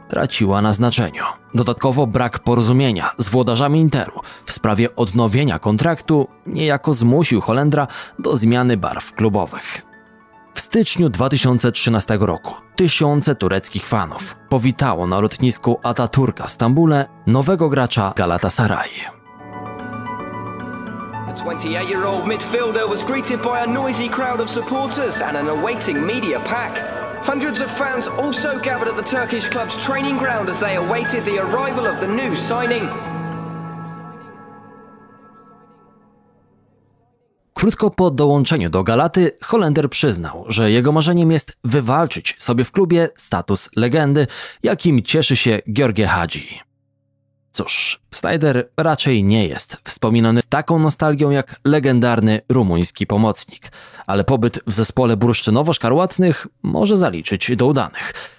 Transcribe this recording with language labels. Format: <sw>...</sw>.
<pl>traciła na znaczeniu. Dodatkowo brak porozumienia z włodarzami Interu w sprawie odnowienia kontraktu niejako zmusił Holendra do zmiany barw klubowych. W styczniu 2013 roku tysiące tureckich fanów powitało na lotnisku Ataturka w Stambule nowego gracza Galatasaray.</pl> <en>28-year-old midfielder was greeted by a noisy crowd of supporters and an awaiting media pack. Hundreds of fans also gathered at the Turkish club's training ground as they awaited the arrival of the new signing.</en> <pl>Krótko po dołączeniu do Galaty, Holender przyznał, że jego marzeniem jest wywalczyć sobie w klubie status legendy, jakim cieszy się Gheorghe Hagi. Cóż, Snyder raczej nie jest wspominany z taką nostalgią jak legendarny rumuński pomocnik, ale pobyt w zespole bursztynowo-szkarłatnych może zaliczyć do udanych.</pl>